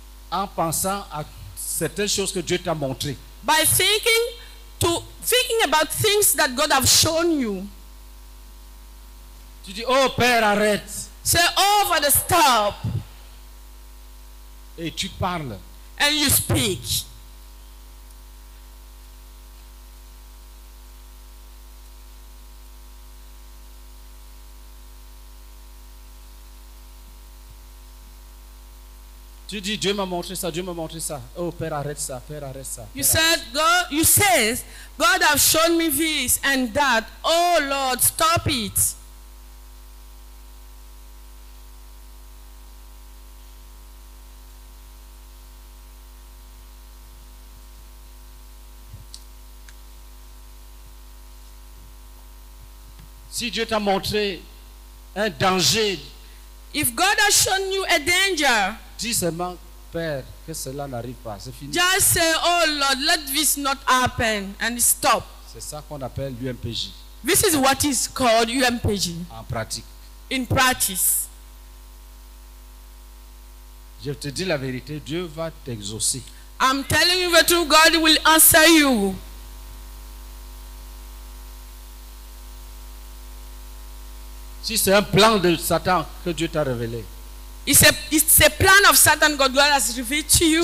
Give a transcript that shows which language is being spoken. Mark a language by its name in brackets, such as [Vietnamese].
[French] En pensant à certaines choses que Dieu t'a montrées. [English] By thinking about things that God has shown you. [French] Tu dis, oh Père, arrête. [English] Say, oh Father, stop. [French] Et tu parles. [English] And you speak. [French] Tu dis, Dieu m'a montré ça, Dieu m'a montré ça. Oh, Père, arrête ça, Père, arrête ça. [English] You said, God, you says, God have shown me this and that. Oh, Lord, stop it. [French] Si Dieu t'a montré un danger, [English] if God has shown you a danger, [French] dis seulement, Père, que cela n'arrive pas, c'est fini. [English] Just say, oh Lord, let this not happen, and stop. [French] C'est ça qu'on appelle l'UMPJ. [English] This is what is called UMPJ. [French] En pratique. [English] In practice. [French] Je te dis la vérité, Dieu va t'exaucer. [English] I'm telling you the truth, God will answer you. [French] Si c'est un plan de Satan que Dieu t'a révélé. [English] It's a plan of Satan God has revealed to you.